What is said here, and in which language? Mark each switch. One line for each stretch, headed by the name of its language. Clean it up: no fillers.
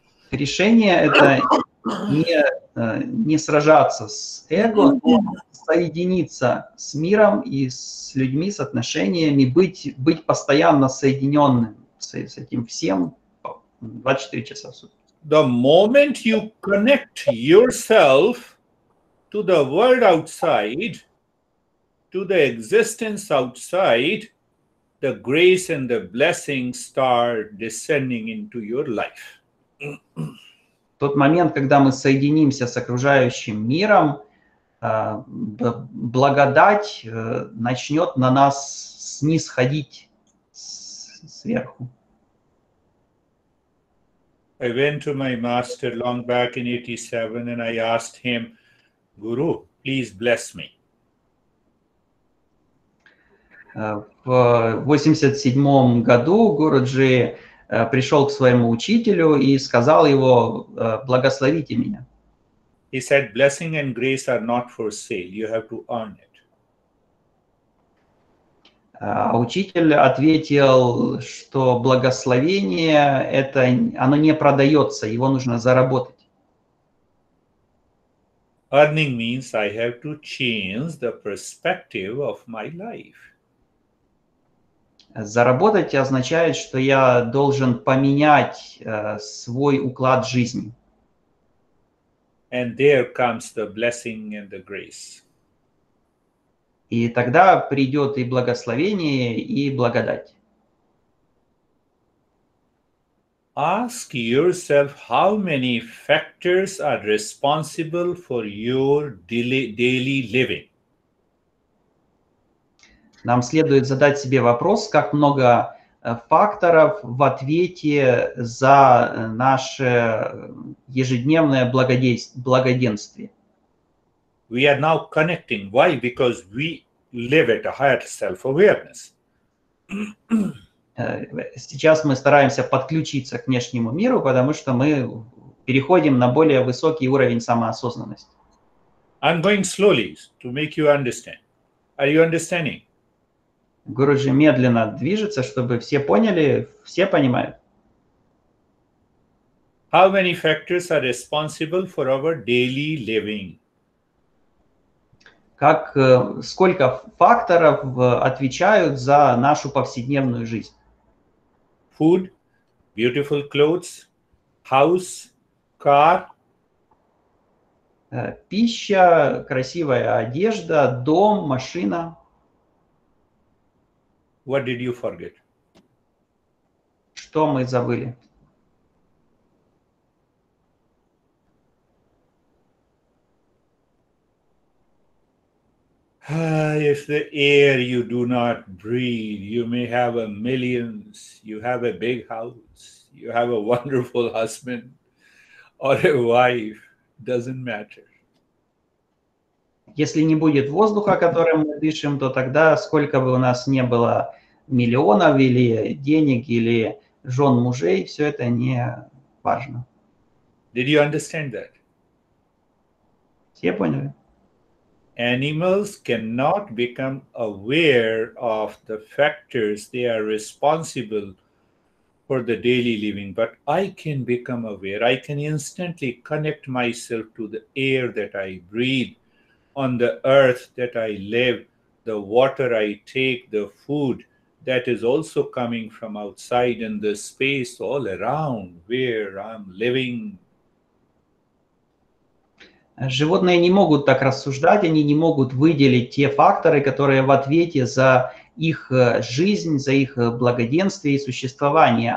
Russian: Решение это не не сражаться с эго, но соединиться с миром и с людьми, с отношениями, быть постоянно соединенным с этим всем 24 часа в сутки.
English: The moment you connect yourself to the world outside, to the existence outside, the grace and the blessings start descending into your life.
Russian: Тот момент, когда мы соединимся с окружающим миром, благодать начнет на нас снисходить сверху.
English: I went to my master long back in 87 and I asked him, Guru, please bless me.
Russian: В 87-м году Гуруджи пришел к своему учителю и сказал его, благословите меня.
English: He said, blessing and grace are not for sale, you have to earn it.
Russian: Учитель ответил, что благословение, это, оно не продается, его нужно заработать.
English: Earning means I have to change the perspective of my life.
Russian: Заработать означает, что я должен поменять свой уклад жизни.
English: And there comes the blessing and the grace.
Russian: И тогда придет и благословение, и благодать.
English: Ask yourself, how many factors are responsible for your daily living.
Russian: Нам следует задать себе вопрос, как много факторов в ответе за наше ежедневное благоденствие.
English: We are now connecting. Why? Because we live at a higher self-awareness.
Russian: Сейчас мы стараемся подключиться к внешнему миру, потому что мы переходим на более высокий уровень самоосознанности.
English: I'm going slowly to make you understand. Are you understanding?
Russian: Гуруджи медленно движется, чтобы все поняли, все понимают.
English: How many factors are responsible for our daily living?
Russian: Как, сколько факторов отвечают за нашу повседневную жизнь?
English: Food, beautiful clothes, house, car.
Russian: Пища, красивая одежда, дом, машина.
English: What did you forget?
Russian: Что мы забыли?
English: If the air you do not breathe, you may have a millions, you have a big house, you have a wonderful husband or a wife, doesn't matter.
Russian: Если не будет воздуха, которым мы дышим, то тогда сколько бы у нас не было миллионов или денег или жен мужей, все это не важно.
English: Did you understand that?
Russian: Все поняли?
English: Animals cannot become aware of the factors they are responsible for the daily living, but I can become aware. I can instantly connect myself to the air that I breathe. On the earth that I live, the water I take, the food that is also coming from outside in the space all around where I'm living.
Russian: Животные не могут так рассуждать, они не могут выделить те факторы, которые в ответе за их жизнь, за их благоденствие и существование.